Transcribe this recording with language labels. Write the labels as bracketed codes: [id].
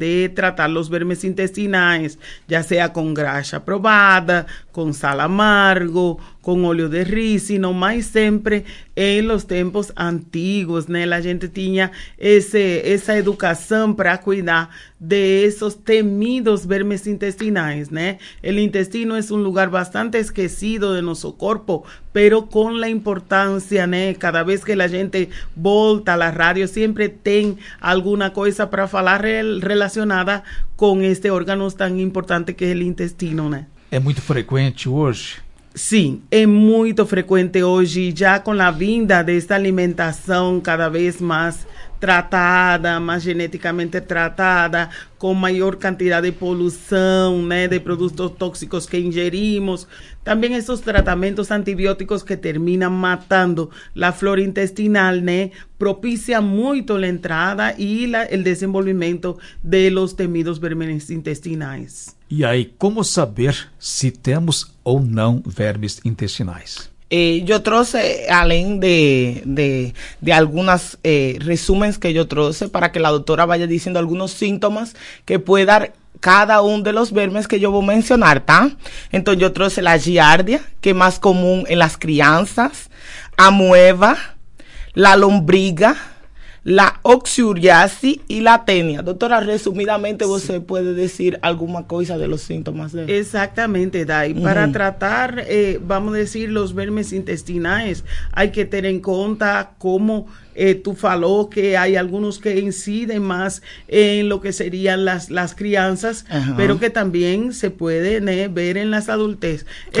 [pt] De tratar os vermes intestinais, já seja com graxa aprovada, com sal amargo, com óleo de rícino, mas sempre em los tempos antigos, né? A gente tinha essa educação para cuidar de esos temidos vermes intestinais, né? [es] El intestino es un lugar bastante esquecido de nuestro cuerpo, pero con la importancia, né? Cada vez que la gente volta a la radio, siempre tiene alguna cosa para hablar relacionada con este órgano tan importante que es el intestino, né? ¿Es muy frecuente hoy? [pt] Sim, é muito frequente hoje, já com a vinda desta alimentação cada vez mais tratada, mais geneticamente tratada, com maior quantidade de poluição, né, de produtos tóxicos que ingerimos. Também esses tratamentos antibióticos que terminam matando a flora intestinal, né, propicia muito a entrada e o desenvolvimento de los temidos vermes intestinais. E aí, como saber se temos ou não vermes intestinais? Eu trouxe, além de algumas resumos que eu trouxe, para que a doutora vaya dizendo alguns síntomas que pode dar cada um de los vermes que eu vou mencionar, tá? Então, eu trouxe a giardia, que é mais comum em las crianças, a mueva, a lombriga, la oxuriasis y la tenia. [es] Doctora, resumidamente, ¿usted puede decir alguna cosa de los síntomas? Exactamente, Dai. Uh-huh. Para tratar, vamos a decir, los vermes intestinales, hay que tener en cuenta cómo tú faló que hay algunos que inciden más en lo que serían las crianzas, uh-huh, pero que también se pueden ver en las adultez. Uh-huh.